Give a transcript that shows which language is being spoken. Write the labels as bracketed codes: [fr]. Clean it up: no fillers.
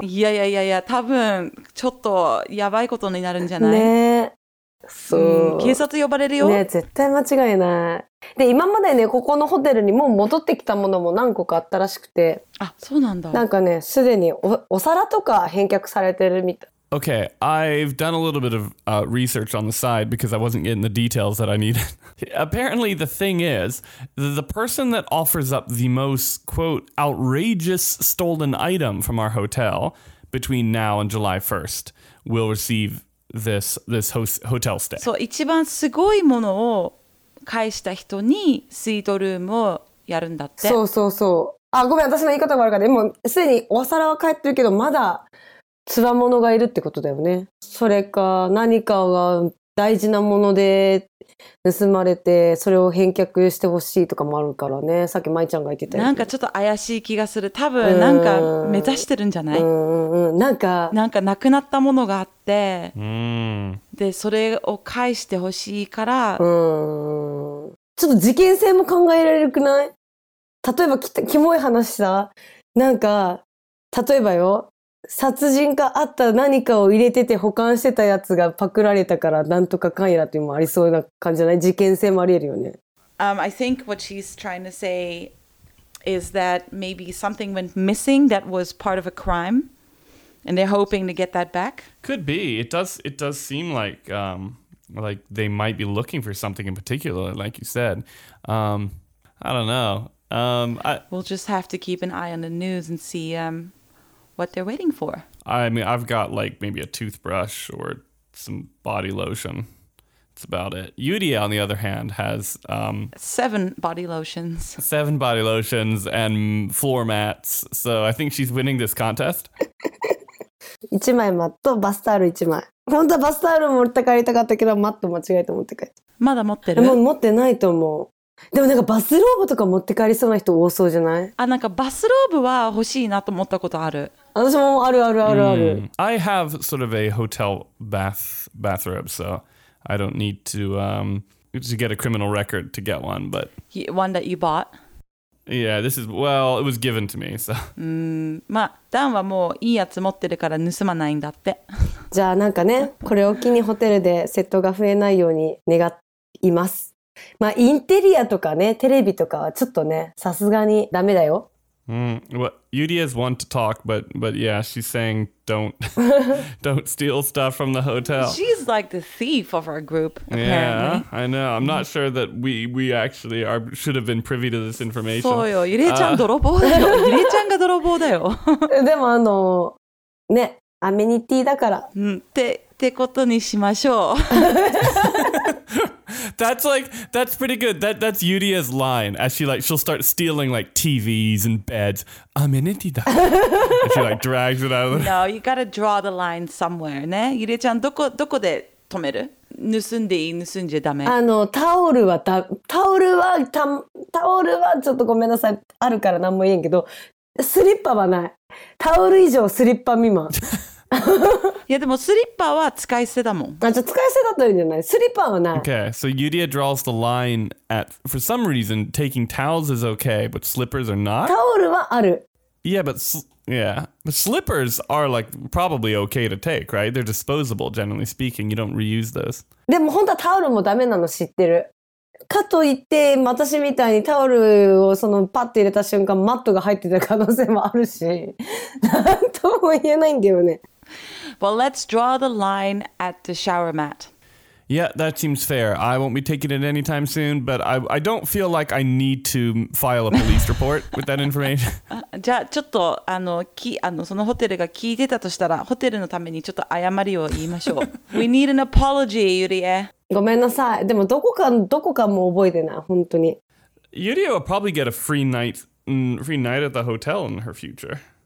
[ja] いやいやいやいや、多分ちょっとやばいことになるんじゃない。ね。そう、うん。警察呼ばれるよ。ね、絶対間違いない。で、今までね、ここのホテルにもう戻ってきたものも何個かあったらしくて。あ、そうなんだ。なんかね、すでにお皿とか返却されてるみたい。 [en] Okay, I've done a little bit of research on the side because I wasn't getting the details that I needed. Apparently, the thing is, the person that offers up the most, quote, outrageous stolen item from our hotel between now and July 1st will receive this hotel stay. [ja] そう、一番すごいものを返した人にスイートルームをやるんだって。そうそうそう。あ、ごめん、私の言い方が悪かった。もうすでにお皿は返ってるけど、まだつわものがいるってことだよね。それか何かが大事なもので盗まれて、それを返却してほしいとかもあるからね。さっきまいちゃんが言ってたよ。なんかちょっと怪しい気がする。多分なんか目指してるんじゃない？なんかなくなったものがあって、うん、でそれを返してほしいから、うん、ちょっと事件性も考えられるくない？例えばキモい話さ、なんか例えばよ、殺人があった何かを入れてて保管してたやつがパクられたからなんとかかんやらっていうのもありそうな感じじゃない？事件性もありえるよね。 [en] I think what she's trying to say is that maybe something went missing that was part of a crime and they're hoping to get that back. Could be. It does seem like they might be looking for something in particular, like you said. I don't know. We'll just have to keep an eye on the news and see what they're waiting for. I mean, I've got like maybe a toothbrush or some body lotion. That's about it. Yurie, on the other hand, has... Seven body lotions and floor mats. So I think she's winning this contest. [ja] 1枚マットバスタオル1枚。本当はバスタオル持って帰りたかったけどマット間違えて持って帰った。まだ持ってる？もう持ってないと思う。でもなんかバスローブとか持って帰りそうな人多そうじゃない？あ、なんかバスローブは欲しいなと思ったことある。私もあるあるあるある。 [en] I have sort of a hotel bathrobe, so I don't need to get a criminal record to get one, but... One that you bought? Yeah, this is, well, it was given to me, so. [ja] まあ、ダンはもういいやつ持ってるから盗まないんだって。じゃあなんかね、これを機にホテルで窃盗が増えないように願います。まあ、インテリアとかね、テレビとかはちょっとね、さすがにダメだよ。 [en] Well, Yurie is one to talk, but yeah, she's saying don't steal stuff from the hotel. She's like the thief of our group, apparently. Yeah, I know. I'm not sure that we actually should have been privy to this information. [ja] そうよ、ゆりえちゃん泥棒だよ。ゆりえちゃんが泥棒だよ。でもね、アメニティだから。ってことにしましょう。 [en] That's pretty good. That's Yuria's line. As she like, she'll start stealing like TVs and beds. [ja] Amenity da. [en] And she like drags it out. No, you gotta draw the line somewhere, ne? [ja] Yuria-chan, doko de tomeru? Nusun de ii, nusun je dame. Taoru wa chotto gomen nasai, aru kara nan mo ien kedo. Slippa wa nai. Taoru ijou slippa mima. いやでもスリッパは使い捨てだもん。あ、じゃあ使い捨てだったらいいんじゃない？スリッパはない。 [en] Okay, so Yurie draws the line at, for some reason, taking towels is okay, but slippers are not? [ja] タオルはある。 [en] Yeah, but slippers are like probably okay to take, right? They're disposable, generally speaking. You don't reuse those. [ja] でも本当はタオルもダメなの知ってる。かといって、私みたいにタオルをそのパッと入れた瞬間、マットが入ってた可能性もあるし、なんとも言えないんだよね。 [en] Well, let's draw the line at the shower mat. Yeah, that seems fair. I won't be taking it anytime soon, but I don't feel like I need to file a police report with that information. [ja] じゃあちょっとそのホテルが聞いてたとしたら、ホテルのためにちょっと謝りを言いましょう。 [en] We need an apology, Yurie. [ja] ごめんなさい。でもどこかも覚えてない、本当に。 [en] Yurie will probably get a free night at the hotel in her future.